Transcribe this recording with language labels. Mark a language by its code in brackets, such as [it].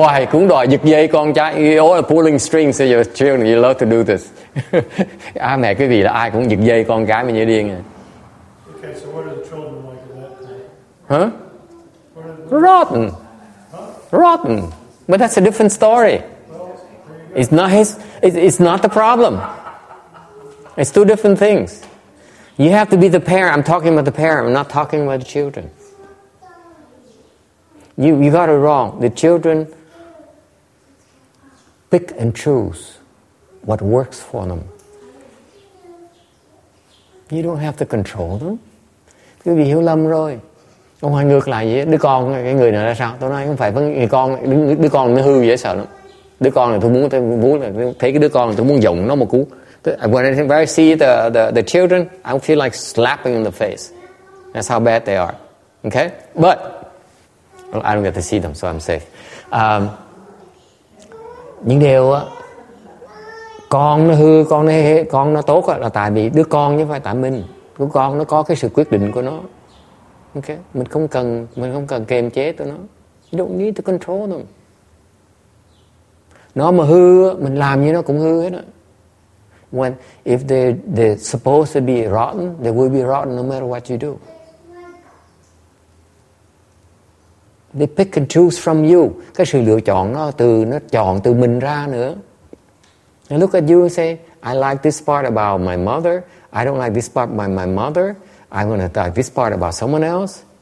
[vi] Cũng đòi giật dây con trai. [en] You are pulling strings to your children. You love to do this. [vi] mẹ quý vị là ai cũng giật dây con cái mình như điên. [en] Okay, so what are the children like in that time? Rotten. Huh? Rotten. But that's a different story. It's not the problem. It's two different things. You have to be the parent. I'm talking about the parent. I'm not talking about the children. You got it wrong. The children pick and choose what works for them. You don't have to control them. [vi] Quý vị hiểu lầm rồi. Ông hay ngược lại vậy. Đứa con cái người này là sao? Tôi nói không phải người con, đứa con nó hư dễ sợ lắm. Đứa con này tôi muốn thấy cái đứa con này, tôi muốn giọng nó một cú. [en] When I see the children, I feel like slapping in the face. That's how bad they are. Okay? But I don't get to see them, so I'm safe. [vi] Những điều á, con nó hư, con nó tốt là tại vì đứa con chứ không phải tại mình. Đứa con nó có cái sự quyết định của nó. Okay? Mình không cần kiềm chế tụi nó. [en] You don't need to control them. [vi] Nó mà hư, mình làm như nó cũng hư hết á. [en] When if they're supposed to be rotten, they will be rotten no matter what you do. They pick and choose from you. [vi] Cái sự lựa chọn nó chọn từ mình ra nữa. [en] They look at you and say, I like this part about my mother. I don't like this part about my mother. I'm going to like this part about someone else.